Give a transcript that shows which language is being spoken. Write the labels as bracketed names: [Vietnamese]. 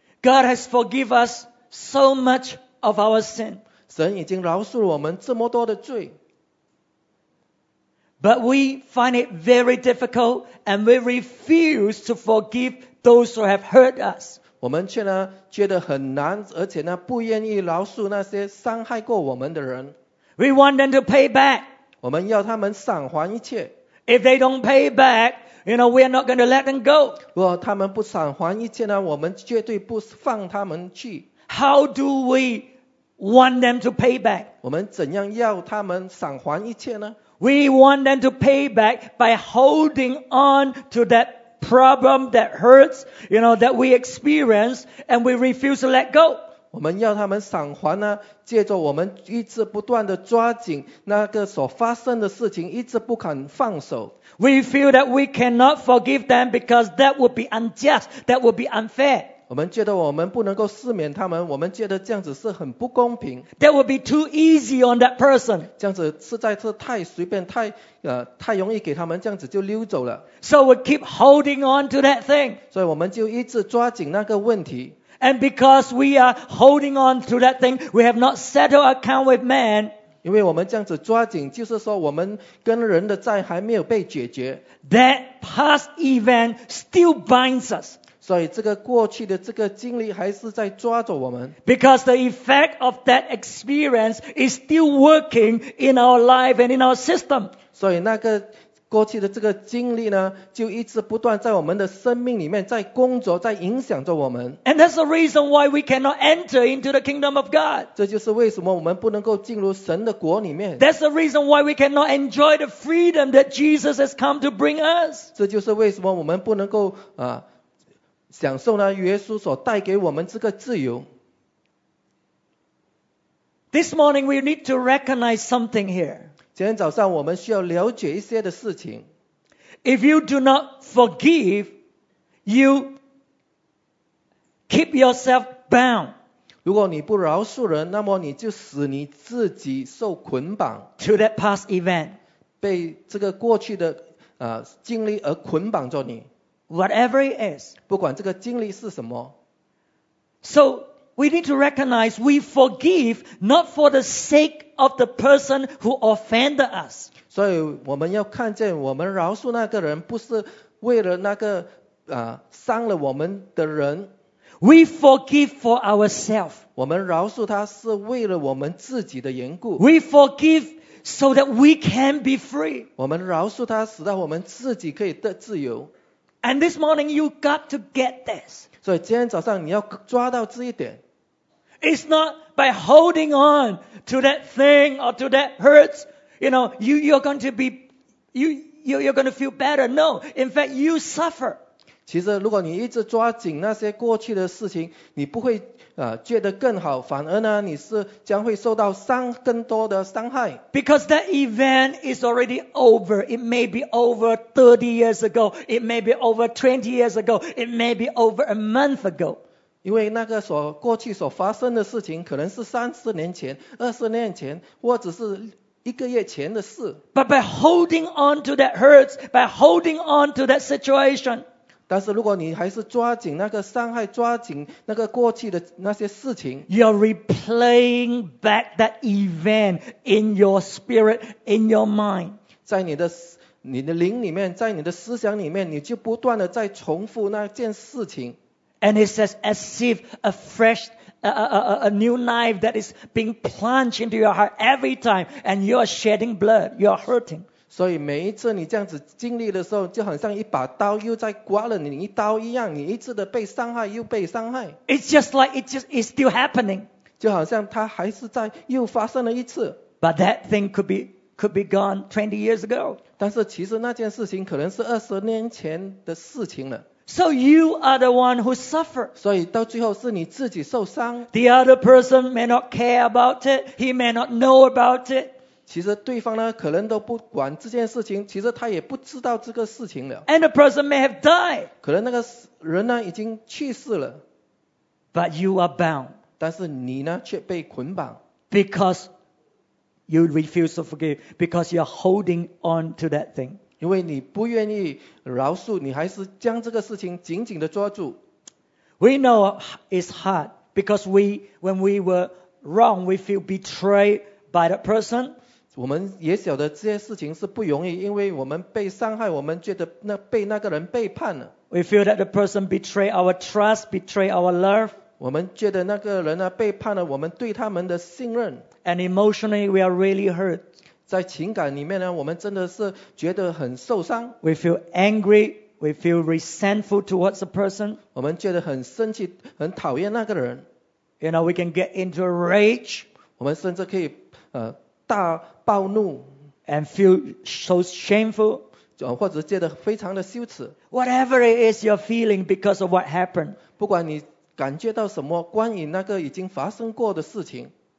[English] God has forgiven us so much of our sin. [Chinese] 神已经饶恕了我们这么多的罪。 [English] But we find it very difficult and we refuse to forgive those who have hurt us. [Chinese] 我们却呢觉得很难，而且呢不愿意饶恕那些伤害过我们的人。 [English] We want them to pay back. [Chinese] 我们要他们赏还一切。 [English] If they don't pay back, you know, we are not going to let them go. [Chinese] 如果他们不赏还一切呢，我们绝对不放他们去。 [English] How do we want them to pay back? [Chinese] 我们怎样要他们赏还一切呢？ [English] We want them to pay back by holding on to that problem that hurts, you know, that we experience and we refuse to let go. [Chinese] 我们要他们赏还呢，借着我们一直不断地抓紧那个所发生的事情，一直不肯放手。 [English] We feel that we cannot forgive them because that would be unjust, that would be unfair. [Chinese] 我们觉得我们不能够赦免他们，我们觉得这样子是很不公平。 [English] That would be too easy on that person. [Chinese] 这样子实在是太随便，太容易给他们这样子就溜走了。 [English] So we keep holding on to that thing. [Chinese] 所以我们就一直抓紧那个问题。 [English] And because we are holding on to that thing, we have not settled account with man. [Chinese] 因为我们这样子抓紧，就是说我们跟人的债还没有被解决。 [English] That past event still binds us. [Chinese] 所以这个过去的这个经历还是在抓着我们。 [English] Because the effect of that experience is still working in our life and in our system. [Chinese] 所以那个过去的这个经历呢，就一直不断在我们的生命里面，在工作，在影响着我们。 [English] And that's the reason why we cannot enter into the kingdom of God. [Chinese] 这就是为什么我们不能够进入神的国里面。 [English] That's the reason why we cannot enjoy the freedom that Jesus has come to bring us. [Chinese] 这就是为什么我们不能够享受呢耶稣所带给我们这个自由。 [English] This morning we need to recognize something here. [Chinese] 今天早上我们需要了解一些的事情。 [English] If you do not forgive, you keep yourself bound. [Chinese] 如果你不饶恕人，那么你就使你自己受捆绑。 [English] To that past event. [Chinese] 被这个过去的经历而捆绑着你。 [English] Whatever it is. [Chinese] 不管这个经历是什么。 [English] So,We need to recognize we forgive not for the sake of the person who offended us. [Chinese] 所以我们要看见我们饶恕那个人不是为了那个伤了我们的人。 [English] We forgive for ourselves. [Chinese] 我们饶恕他是为了我们自己的缘故。 [English] We forgive so that we can be free. [Chinese] 我们饶恕他使到我们自己可以得自由。 [English] And this morning you got to get this. [Chinese] 所以今天早上你要抓到这一点。 [English] It's not by holding on to that thing or to that hurts, you know, you're going to feel better. No, in fact, you suffer. [Chinese] 其实如果你一直抓紧那些过去的事情，你不会觉得更好，反而呢，你是将会受到更多的伤害。 [English] Because that event is already over. It may be over 30 years ago. It may be over 20 years ago. It may be over a month ago. [Chinese] 因为那个过去所发生的事情，可能是30年前、20年前，或者是一个月前的事。 [English] But by holding on to that hurts, by holding on to that situation. [Chinese] 但是如果你还是抓紧那个伤害，抓紧那个过去的那些事情， [English] You're replaying back that event in your spirit, in your mind. [Chinese] 在你的灵里面，在你的思想里面，你就不断的在重复那件事情。 [English] And it's as if a new knife that is being plunged into your heart every time, and you're shedding blood, you're hurting. [Chinese] 所以每一次你这样子经历的时候，就很像一把刀又在刮了你一刀一样，你一次的被伤害又被伤害。 [English] It's just like it's still happening. [Chinese] 就好像它还是在又发生了一次。 [English] But that thing could be gone 20 years ago. [Chinese] 但是其实那件事情可能是二十年前的事情了。 [English] So you are the one who suffer. [Chinese] 所以到最后是你自己受伤。 [English] The other person may not care about it. He may not know about it. [Chinese] 其实对方呢可能都不管这件事情，其实他也不知道这个事情了。 [English] And the person may have died. [Chinese] 可能那个人呢已经去世了。 [English] But you are bound. [Chinese] 但是你呢却被捆绑。 [English] Because you refuse to forgive. Because you are holding on to that thing. [Chinese] 因为你不愿意饶恕，你还是将这个事情紧紧地抓住。 [English] We know it's hard. Because when we were wrong, we feel betrayed by that person. [Chinese] 我们也晓得这些事情是不容易，因为我们被伤害，我们觉得那被那个人背叛了。 [English] We feel that the person betray our trust, betray our love. [Chinese] 我们觉得那个人呢背叛了我们对他们的信任。 [English] And emotionally, we are really hurt. [Chinese] 在情感里面呢，我们真的是觉得很受伤。 [English] We feel angry, we feel resentful towards the person. [Chinese] 我们觉得很生气，很讨厌那个人。 [English] You know, we can get into a rage. [Chinese] 我们甚至可以大暴怒 [English] and feel so shameful, [Chinese] 或者觉得非常的羞耻 [English] whatever it is you're feeling because of what happened, [Chinese] 不管你感觉到什么关于那个已经发生过的事情